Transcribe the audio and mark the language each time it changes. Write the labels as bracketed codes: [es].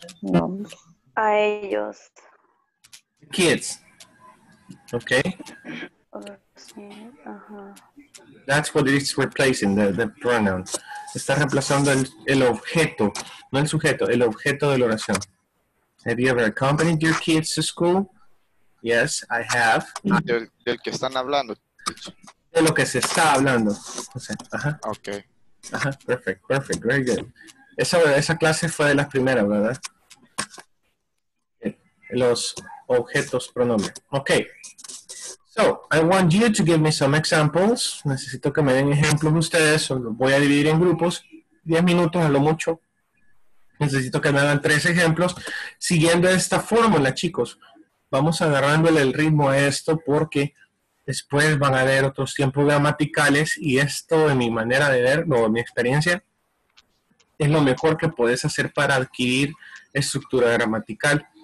[es] No. A ellos. [en] Kids. Okay. That's what it's replacing, the pronoun. [es] Está reemplazando el objeto, no el sujeto, el objeto de la oración. [en] Have you ever accompanied your kids to school? Yes, I have. [es] Del que están hablando. De lo que se está hablando. O sea, ajá. [en] Okay. [es] Ajá, [en] perfect, very good. [es] Esa clase fue de las primeras, ¿verdad? Los objetos pronombre. Okay. [en] So, I want you to give me some examples. [es] Necesito que me den ejemplos ustedes, o los voy a dividir en grupos. 10 minutos a lo mucho. Necesito que me hagan 3 ejemplos. Siguiendo esta fórmula, chicos. Vamos agarrándole el ritmo a esto porque después van a haber otros tiempos gramaticales y esto, en mi manera de ver, o mi experiencia, es lo mejor que puedes hacer para adquirir estructura gramatical.